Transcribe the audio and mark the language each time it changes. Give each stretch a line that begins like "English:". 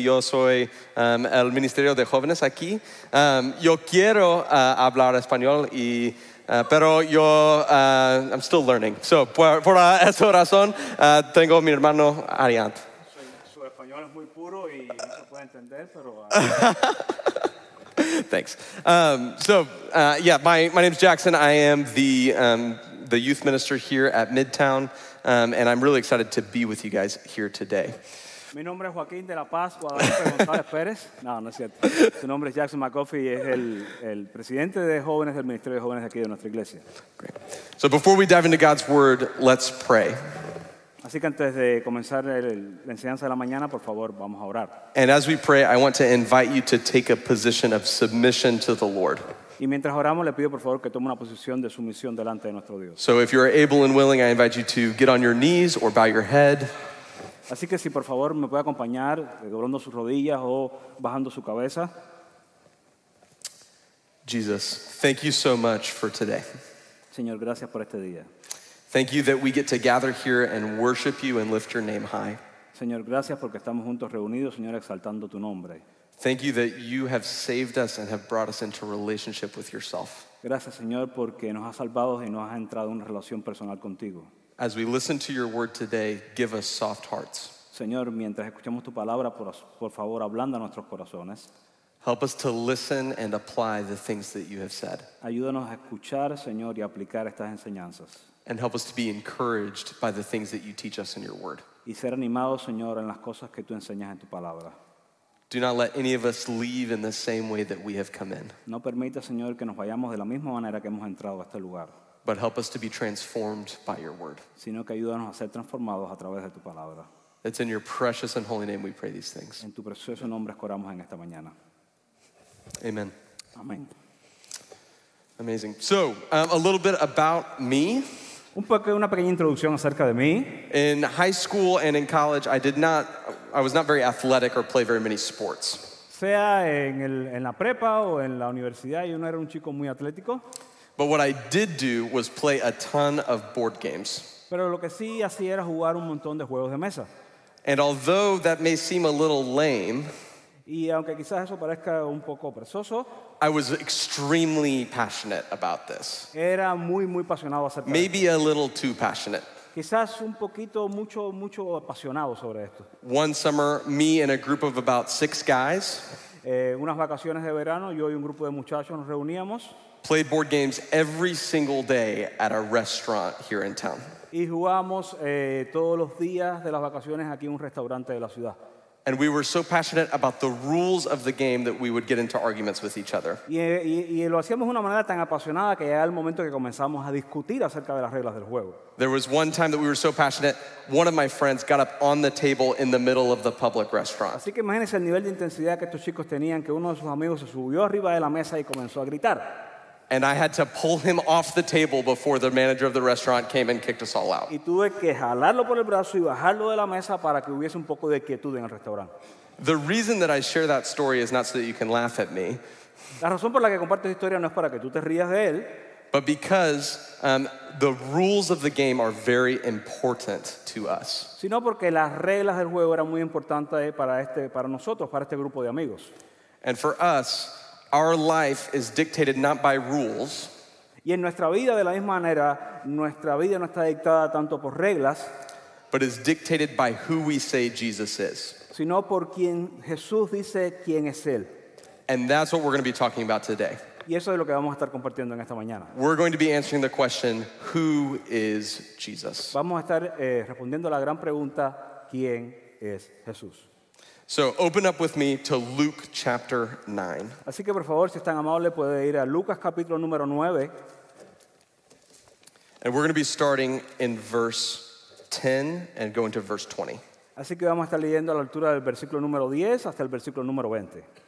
Spanish: Yo soy el Ministerio de Jóvenes aquí. Yo quiero hablar español, pero
English: I'm still learning.
Spanish: So, por esa razón, tengo mi hermano Ariant. Su español es muy puro y no puede entender, pero...
English: Thanks. My name is Jackson. I am the youth minister here at Midtown. And I'm really excited to be with you guys here today.
Spanish: Mi nombre es Joaquín de la Paz, Guadalupe González Pérez. No, no es cierto. Su nombre es Jackson McGuffey y es el presidente de jóvenes del Ministerio de Jóvenes aquí de nuestra iglesia.
English: Great. So before we dive into God's word, let's pray.
Spanish: Así que antes de comenzar la enseñanza de la mañana, por favor, vamos a orar.
English: And as we pray, I want to invite you to take a position of submission to the Lord.
Spanish: Y mientras oramos, le pido por favor que tome una posición de sumisión delante de nuestro Dios.
English: So if you're able and willing, I invite you to get on your knees or bow your head.
Spanish: Así que si por favor me puede acompañar doblando sus rodillas o bajando su cabeza.
English: Jesus, thank you so much for today.
Spanish: Señor, gracias por este día.
English: Thank you that we get to gather here and worship you and lift your name high.
Spanish: Señor, gracias porque estamos juntos reunidos, Señor, exaltando tu nombre.
English: Thank you that you have saved us and have brought us into relationship with yourself.
Spanish: Gracias, Señor, porque nos has salvado y nos has entrado en una relación personal contigo.
English: As we listen to your word today, give us soft hearts.
Spanish: Señor, mientras escuchamos tu palabra, por favor, ablanda nuestros corazones.
English: Help us to listen and apply the things that you have said.
Spanish: Ayúdanos a escuchar, Señor, y aplicar estas enseñanzas.
English: And help us to be encouraged by the things that you teach us in your word.
Spanish: Y ser animados, Señor, en las cosas que tú enseñas en tu palabra.
English: Do not let any of us leave in the same way that we have come in.
Spanish: No permita, Señor, que nos vayamos de la misma manera que hemos entrado a este lugar.
English: But help us to be transformed by your word.
Spanish: Sino que ayúdanos a ser transformados a través de tu palabra.
English: It's in your precious and holy name we pray these things.
Spanish: En tu precioso nombre oramos en esta mañana.
English: Amen.
Spanish: Amén.
English: Amazing. So, a little bit about me.
Spanish: Una pequeña introducción acerca de mí.
English: In high school and in college, I was not very athletic or play very many sports.
Spanish: Sea en la prepa o en la universidad, yo no era un chico muy atlético.
English: But what I did do was play a ton of board games.
Spanish: Pero lo que sí hacía era jugar un montón de juegos de mesa.
English: And although that may seem a little lame,
Spanish: y aunque quizás eso parezca un poco perezoso,
English: I was extremely passionate about this.
Spanish: Era muy, muy apasionado acerca de
English: esto. Maybe a little too passionate.
Spanish: Quizás un poquito, mucho, mucho apasionado sobre esto.
English: One summer, me and a group of about 6 guys,
Spanish: unas vacaciones de verano, yo y un grupo de muchachos nos reuníamos,
English: played board games every single day at a restaurant here in town.
Spanish: Y jugamos todos los días de las vacaciones aquí en un restaurante de la ciudad.
English: And we were so passionate about the rules of the game that we would get into arguments with each other.
Spanish: Y lo hacíamos de una manera tan apasionada que llegaba el momento que comenzamos a discutir acerca de las reglas del juego.
English: There was one time that we were so passionate, one of my friends got up on the table in the middle of the public restaurant.
Spanish: Así que imagínense el nivel de intensidad que estos chicos tenían, que uno de sus amigos se subió arriba de la mesa y comenzó a gritar.
English: And I had to pull him off the table before the manager of the restaurant came and kicked us all out.
Spanish: Y tuve que jalarlo por el brazo y bajarlo de la mesa para que hubiese un poco de quietud en el restaurante.
English: The reason that I share that story is not so that you can laugh at me.
Spanish: La razón por la que comparto esta historia no es para que tú te rías de él.
English: But because the rules of the game are very important to us.
Spanish: Sino porque las reglas del juego eran muy importantes para nosotros, para este grupo de amigos.
English: And for us, our life is dictated not by rules.
Spanish: Y en nuestra vida, de la misma manera, nuestra vida no está dictada tanto por reglas.
English: But is dictated by who we say Jesus is.
Spanish: Sino por quien Jesús dice quién es él.
English: And that's what we're going to be talking about today.
Spanish: Y eso es lo que vamos a estar compartiendo en esta mañana.
English: We're going to be answering the question, who is Jesus?
Spanish: Vamos a estar respondiendo la gran pregunta, ¿quién es Jesús?
English: So open up with me to Luke chapter 9.
Spanish: Así que por favor, si es tan amable, puede ir a Lucas capítulo número 9.
English: And we're going to be starting in verse 10 and going to verse 20.
Spanish: Así que vamos a estar leyendo a la altura del versículo número 10 hasta el versículo número 20.